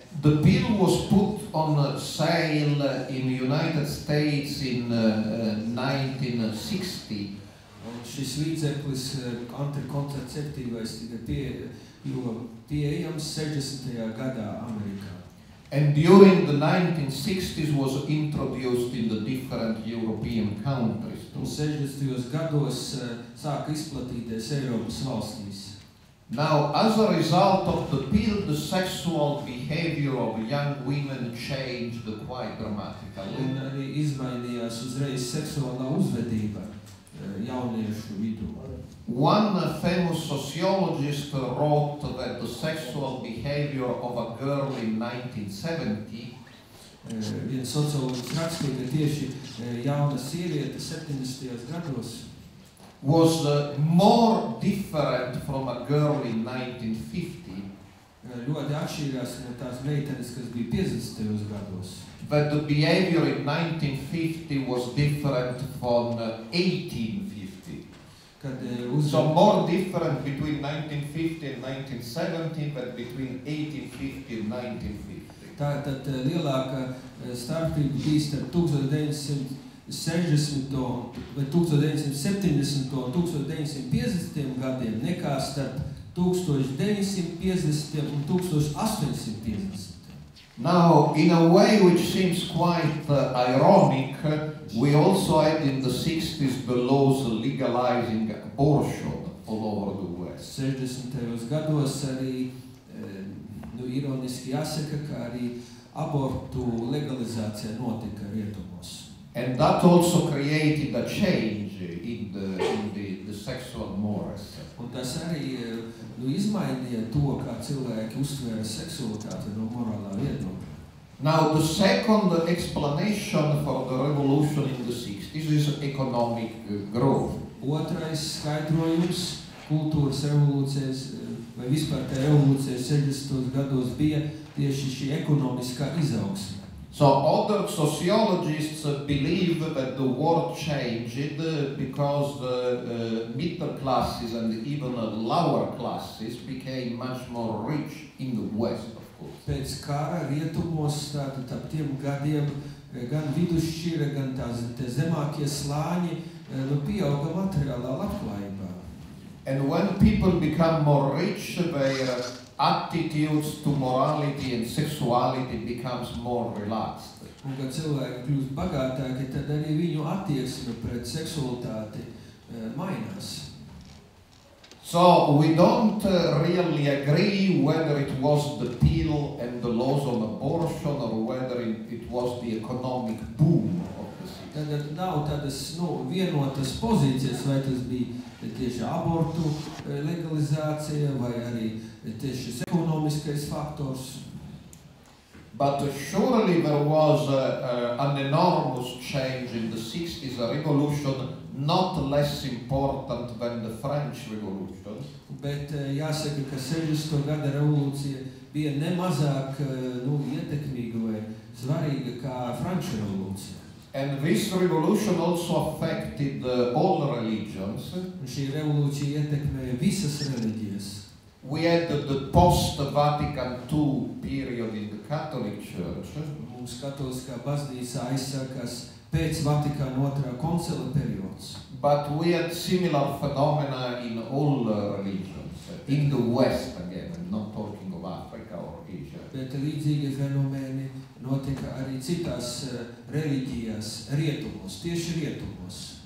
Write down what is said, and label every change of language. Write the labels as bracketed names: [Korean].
[English] The pill was put on sale in the United States in 1960. [Latvian] Šis līdzeklis kontraceptīvais pieejams 60. Gadā Amerikā. [English] And during the 1960s was introduced in the different European countries. [Latvian] 60. Gados sāka izplatīties Eiropas valstīs. [English] Now, as a result of the pill, the sexual behavior of young women changed quite dramatically. [Latvian] Un arī izmainījās uzreiz seksuālā uzvedība jauniešu vidū. [English] One famous sociologist wrote that the sexual behavior of a girl in 1970 [Latvian] Viens sociologs rakstīja, ka tieši jauna sieviete 70. Gados [English] was more different from a girl in 1950. [Latvian] Ļoti atšķīrās no tās meitenes, kas bija 50. Gados. [English] But the behavior in 1950 was different from 1850. So more different between 1950 and 1970, but between 1850 and 1950. [Latvian] Tātad lielāka starptība bija starp 1960. Vai 1970. Un 1950. Gadiem nekā starp 1950. Un 1850. [English] Now, in a way which seems quite ironic, we also had in the 60s the laws legalizing abortion all over the West. [Latvian] 60. Gados arī, nu, ironiski jāsaka, ka arī abortu legalizācija notika rietumos. [English] And that also created a change in the sexual mores. [Latvian] Un tas arī, nu, izmainīja to, kā cilvēki uztvēra seksualitāti no morālā viedokļa. [English] Now, the second explanation for the revolution in the 60s is economic growth. [Latvian] Otrais skaidrojums kultūras revolūcijas, vai vispār tā revolūcija 60. Gados bija tieši šī ekonomiskā izaugsme. [English] So other sociologists believe that the world changed because the middle classes and even the lower classes became much more rich in the West, of course. [Latvian] Pēc kara rietumos, tātad ap tiem gadiem, gan vidusšķira, gan tās zemākie slāņi, nu, pieauga materiālā labklājībā. [English] And when people become more rich, their attitudes to morality and sexuality becomes more relaxed. [Latvian] Un kad cilvēki kļūst bagātāki, tad arī viņu attieksme pret seksualitāti mainās. [English] So we don't really agree whether it was the pill and the laws on abortion or whether it was the economic boom of the city. [Latvian] Tad nav tādas, nu, vienotas pozīcijas, vai tas bija tieši abortu legalizācija vai arī tieši šis ekonomiskais faktors. [English] But surely there was an enormous change in the 60s, a revolution not less important than the French revolution. [Latvian] Bet jāsaka, ka 60. Gada revolūcija bija nemazāk, nu, ietekmīga vai svarīga kā Franču revolūcija. [English] And this revolution also affected all religions. [Latvian] Šī revolūcija ietekmēja visas religijas. [English] We had the post-Vatican II period in the Catholic Church. [Latvian] Mums katoliskā baznīca aizsākas pēc Vatikāna otrā koncila periods. [English] But we had similar phenomena in all religions, in the West again, I'm not talking of Africa or Asia. [Latvian] Bet līdzīgi fenomeni notika arī citās reliģijās, rietumos, tieši rietumos.